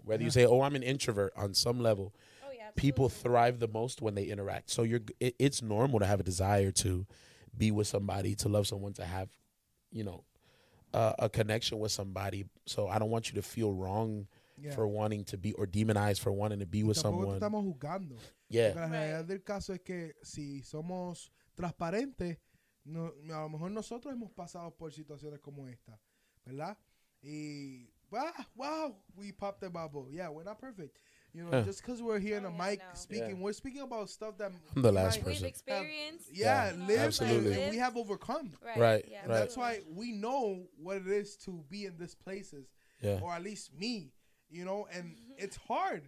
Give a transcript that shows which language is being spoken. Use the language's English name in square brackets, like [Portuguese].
[English] Whether you say, oh, I'm an introvert, on some level, people thrive the most when they interact. So it's normal to have a desire to be with somebody, to love someone, to have, you know, a connection with somebody. So I don't want you to feel wrong for wanting to be, or demonized for wanting to be with someone. [Spanish] Estamos jugando. [English] Yeah. [Spanish] La realidad del caso es que si somos transparentes, no, a lo mejor nosotros hemos pasado por situaciones como esta, ¿verdad? Y, [English] wow, we popped the bubble. Yeah, we're not perfect. You know, just because we're here in the mic speaking, we're speaking about stuff that I'm the last person. We've experienced. Absolutely. And we have overcome. Right. Yeah, and that's why we know what it is to be in these places. Yeah. Or at least me, you know, and it's hard.